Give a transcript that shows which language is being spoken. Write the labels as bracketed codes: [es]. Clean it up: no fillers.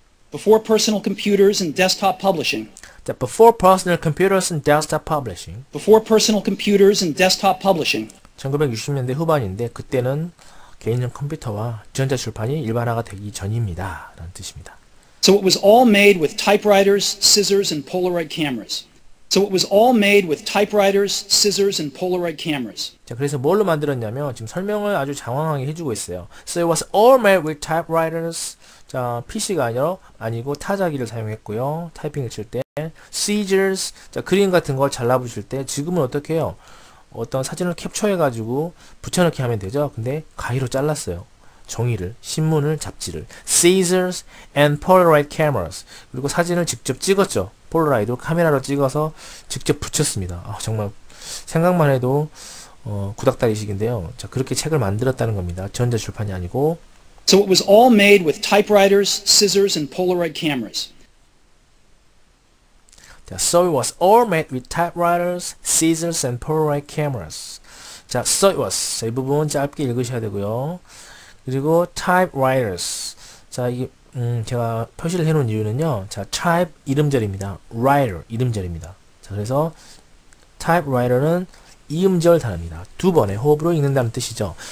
[en] Before personal computers and desktop publishing. That before personal computers and desktop publishing. Before personal computers and desktop publishing. [ko] 1960년대 후반인데 그때는 개인용 컴퓨터와 전자출판이 일반화가 되기 전입니다. 라는 뜻입니다. [en] So it was all made with typewriters, scissors, and Polaroid cameras. So it was all made with typewriters, scissors, and Polaroid cameras. [ko] 자, 그래서 뭘로 만들었냐면 지금 설명을 아주 장황하게 해주고 있어요. [en] So it was all made with typewriters. [ko] 자, PC가 아니고 타자기를 사용했고요. 타이핑을 칠 때. Scissors. 자, 그림 같은 걸 잘라보실 때 지금은 어떻게 해요? 어떤 사진을 캡처해가지고 붙여넣기 하면 되죠. 근데 가위로 잘랐어요. 종이를, 신문을, 잡지를. [en] Scissors and Polaroid cameras. [ko] 그리고 사진을 직접 찍었죠. 폴라로이드 카메라로 찍어서 직접 붙였습니다. 아, 정말 생각만 해도 구닥다리식인데요. 자, 그렇게 책을 만들었다는 겁니다. 전자출판이 아니고. [en] So it was all made with typewriters, scissors, and Polaroid cameras. So it was all made with typewriters, scissors, and Polaroid cameras. 자, so it was. [ko] 자, 이 부분 짧게 읽으셔야 되고요. 그리고 typewriters. 자, 이게 제가 표시를 해놓은 이유는요. 자, type 이음절입니다. writer 이음절입니다. 자, 그래서 typewriter는 이음절 단어입니다. 두 번의 호흡으로 읽는다는 뜻이죠.